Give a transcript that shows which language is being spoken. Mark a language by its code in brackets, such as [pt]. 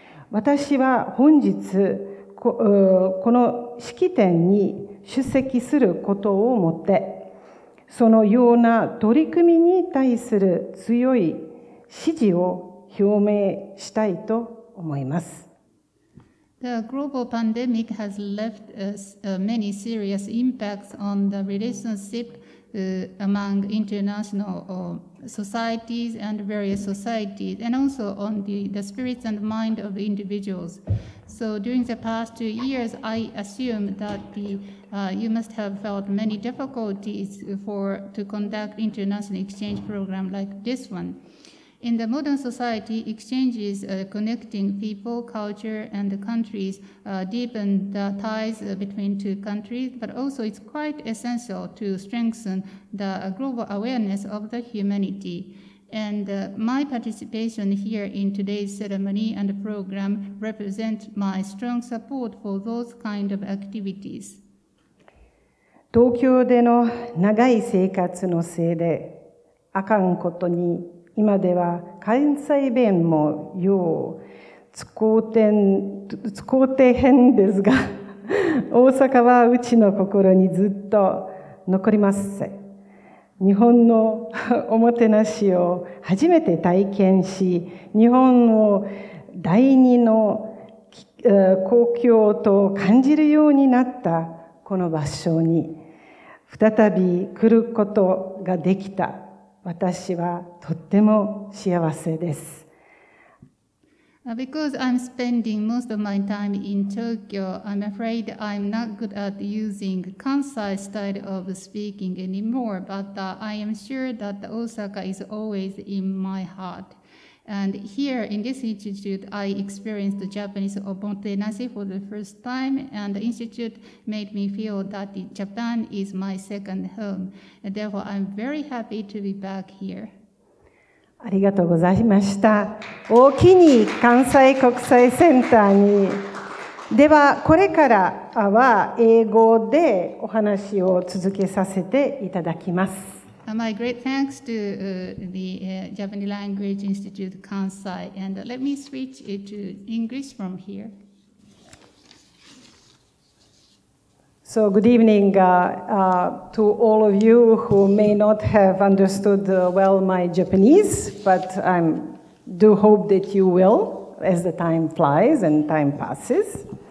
[ja] 私は本日、この式典に出席することをもって、そのような取り組みに対する強い支持を表明したいと思います。 [en] The global pandemic has left many serious impacts on the relationship among international societies and various societies, and also on the spirits and mind of individuals. So during the past 2 years, I assume that you must have felt many difficulties to conduct international exchange program like this one. In the modern society, exchanges connecting people, culture, and countries deepen the ties between two countries, but also it's quite essential to strengthen the global awareness of the humanity. And my participation here in today's ceremony and program represents my strong support for those kind of activities. [ja] 東京での長い生活のせいであかんことに今では関西弁もよう使うてへんですが、大阪はうちの心にずっと残ります。日本のおもてなしを初めて体験し、日本を第二の故郷と感じるようになったこの場所に、再び来ることができた。私はとっても幸せです。 [en] Because I'm spending most of my time in Tokyo, I'm afraid I'm not good at using Kansai style of speaking anymore, but I am sure that Osaka is always in my heart. And here in this institute, I experienced the Japanese omotenashi for the first time, and the institute made me feel that Japan is my second home. And therefore, I'm very happy to be back here. [ja] ありがとうございました。おおきに関西国際センターに。では、これからは英語でお話を続けさせていただきます。 [en] My great thanks to the Japanese Language Institute Kansai, and let me switch it to English from here. So, good evening to all of you who may not have understood well my Japanese, but I do hope that you will as the time flies and time passes.